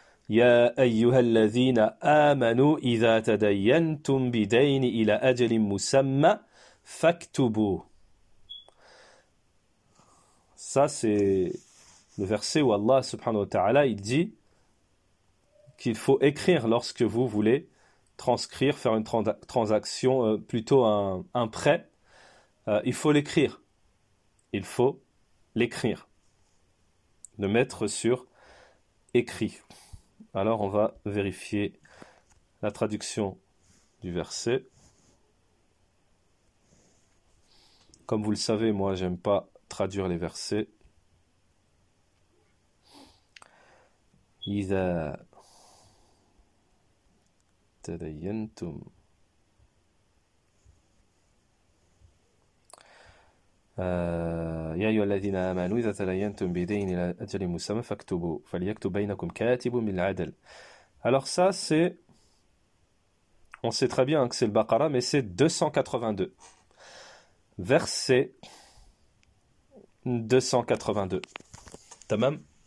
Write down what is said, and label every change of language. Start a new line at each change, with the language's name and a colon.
Arabic: يا أيها الذين آمنوا إذا تدينتم بدين إلى أجل مسمى فاكتبوه.
French: Ça, c'est le verset où Allah subhanahu wa ta'ala, il dit qu'il faut écrire lorsque vous voulez transcrire, faire une transaction, plutôt un prêt. Il faut l'écrire. Il faut l'écrire. Le mettre sur écrit. Alors, on va vérifier la traduction du verset. Comme vous le savez, moi, j'aime pas traduire les versets.
Arabic: Ida tadayantum. يا أيها الذين آمنوا إذا تداينتم بدين إلى أجل مسمى فاكتبوا فليكتب بينكم كاتب بالعدل.
French: Alors ça c'est, on sait très bien que c'est le Baqara, mais c'est 282. Verset 282. Tamam.